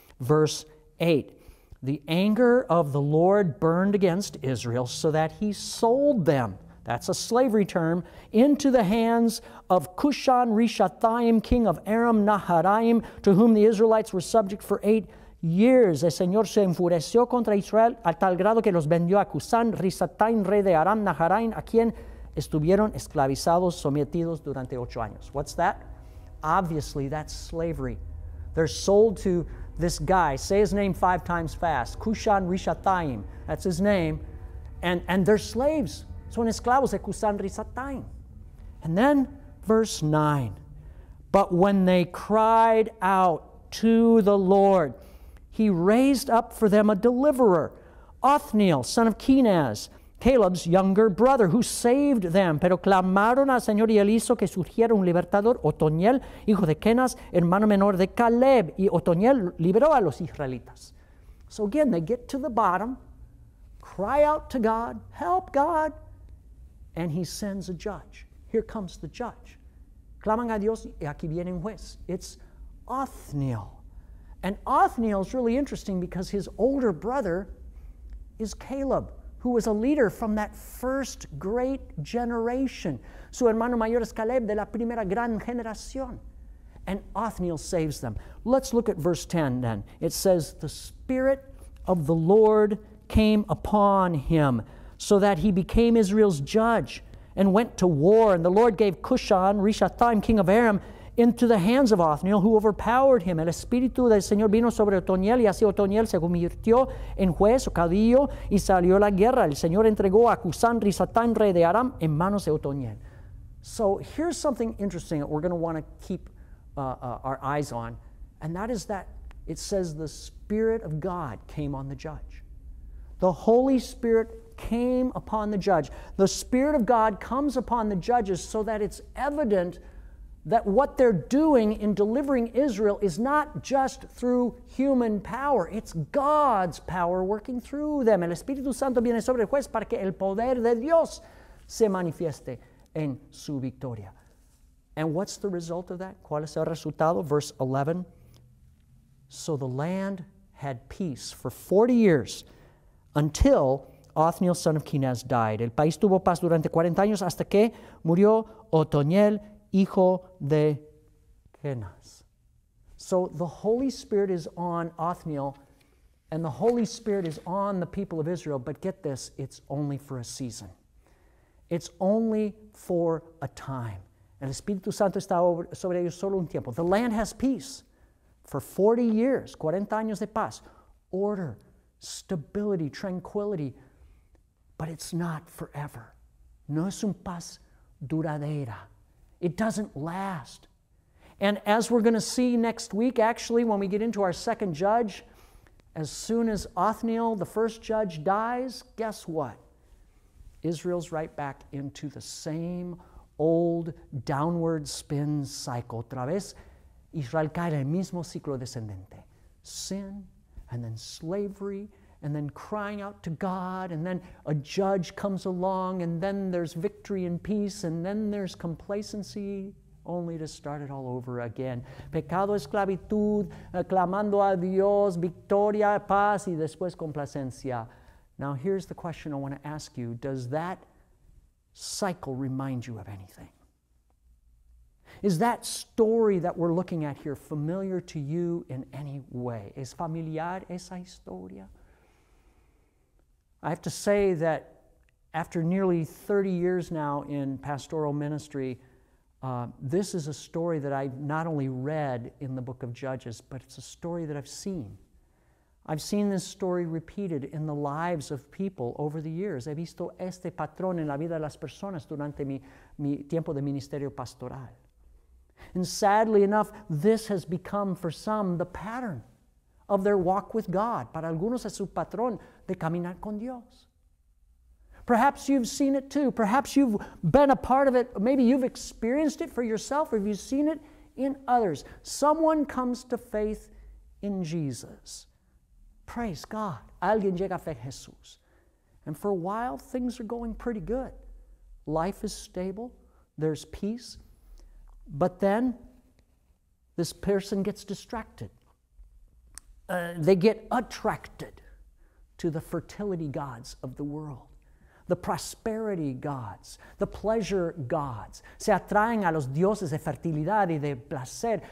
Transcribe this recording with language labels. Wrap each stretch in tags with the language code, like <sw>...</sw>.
<en>Verse 8, the anger of the Lord burned against Israel so that he sold them, that's a slavery term, into the hands of Cushan-Rishathaim, king of Aram-Naharaim, to whom the Israelites were subject for 8 years.</en> <es>El Señor se enfureció contra Israel a tal grado que los vendió a Cushan-Rishathaim, rey de Aram-Naharaim, a quien estuvieron esclavizados, sometidos durante 8 años.</es> <en>What's that? Obviously, that's slavery. They're sold to this guy, say his name 5 times fast, Cushan-Rishathaim, that's his name, and they're slaves.</en> <es>Son esclavos de Cushan-Rishathaim.</es> <en>And then verse 9, but when they cried out to the Lord, he raised up for them a deliverer, Othniel, son of Kenaz, Caleb's younger brother, who saved them.</en> <es>Pero clamaron al Señor y él hizo que surgiera un libertador, Otoniel, hijo de Kenaz, hermano menor de Caleb. Y Otoniel liberó a los israelitas.</es> <en>So again, they get to the bottom, cry out to God, help God, and he sends a judge. Here comes the judge.</en> <es>Claman a Dios y aquí viene un juez.</es> <en>It's Othniel. And Othniel is really interesting because his older brother is Caleb, who was a leader from that first great generation.</en> <es>Su hermano mayor es Caleb de la primera gran generación.</es> <en>And Othniel saves them. Let's look at verse 10 then. It says, the Spirit of the Lord came upon him so that he became Israel's judge and went to war. And the Lord gave Cushan-Rishathaim, king of Aram, into the hands of Othniel, who overpowered him.</en> <es>El Espíritu del Señor vino sobre Otoniel, y así Otoniel se convirtió en juez o caudillo, y salió la guerra. El Señor entregó a Cushan-Rishathaim, rey de Aram, en manos de Otoniel.</es> <en>So here's something interesting that we're going to want to keep our eyes on, and that is that it says the Spirit of God came on the judge. The Holy Spirit came upon the judge. The Spirit of God comes upon the judges so that it's evident that what they're doing in delivering Israel is not just through human power. It's God's power working through them.</en> <es>El Espíritu Santo viene sobre el juez para que el poder de Dios se manifieste en su victoria.</es> <en>And what's the result of that?</en> <es>¿Cuál es el resultado?</es> <en>Verse 11. So the land had peace for 40 years until Othniel, son of Kenaz, died.</en> <es>El país tuvo paz durante 40 años hasta que murió Otoniel, hijo de Kenaz.</es> <en>So the Holy Spirit is on Othniel, and the Holy Spirit is on the people of Israel, but get this, it's only for a season. It's only for a time.</en> <es>El Espíritu Santo está sobre ellos solo un tiempo.</es> <en>The land has peace for 40 years,</en> <es>40 años de paz.</es> <en>Order, stability, tranquility, but it's not forever.</en> <es>No es un paz duradera.</es> <en>It doesn't last. And as we're going to see next week, actually, when we get into our second judge, as soon as Othniel, the first judge, dies, guess what? Israel's right back into the same old downward spin cycle.</en> <es>Otra vez, Israel cae en el mismo ciclo descendente.</es> <en>Sin, and then slavery, and then crying out to God, and then a judge comes along, and then there's victory and peace, and then there's complacency, only to start it all over again.</en> <es>Pecado, esclavitud, clamando a Dios, victoria, paz, y después complacencia.</es> <en>Now here's the question I want to ask you. Does that cycle remind you of anything? Is that story that we're looking at here familiar to you in any way?</en> <es>¿Es familiar esa historia?</es> <en>I have to say that after nearly 30 years now in pastoral ministry, this is a story that I've not only read in the book of Judges, but it's a story that I've seen. I've seen this story repeated in the lives of people over the years.</en> <es>He visto este patrón en la vida de las personas durante mi tiempo de ministerio pastoral.</es> <en>And sadly enough, this has become for some the pattern of their walk with God.</en> <es>Para algunos es su patrón de caminar con Dios.</es> <en>Perhaps you've seen it too. Perhaps you've been a part of it. Maybe you've experienced it for yourself, or have you seen it in others? Someone comes to faith in Jesus. Praise God. Alguien llega a fe en Jesús. And for a while, things are going pretty good. Life is stable. There's peace. But then, this person gets distracted. They get attracted to the fertility gods of the world, the prosperity gods, the pleasure gods.</en> <es>Se atraen a los dioses de fertilidad y de placer.</es>